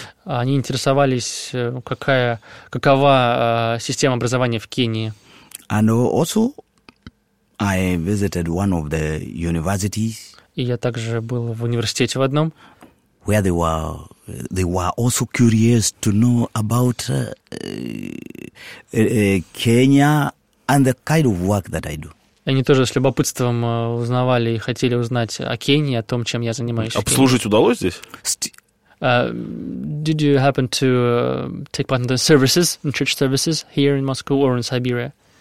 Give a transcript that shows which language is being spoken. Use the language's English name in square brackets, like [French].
[Russian] Они интересовались, какова система образования в Кении. [English] And also, I visited one of the universities. [Russian] И я также был в университете в одном. [English] Where they were also curious to know about Kenya and the kind of work that I do. [Russian] Они тоже с любопытством узнавали и хотели узнать о Кении, о том, чем я занимаюсь. Обслужить удалось здесь? [English] Did you happen to take part in the services, in church services here in Moscow or in Siberia?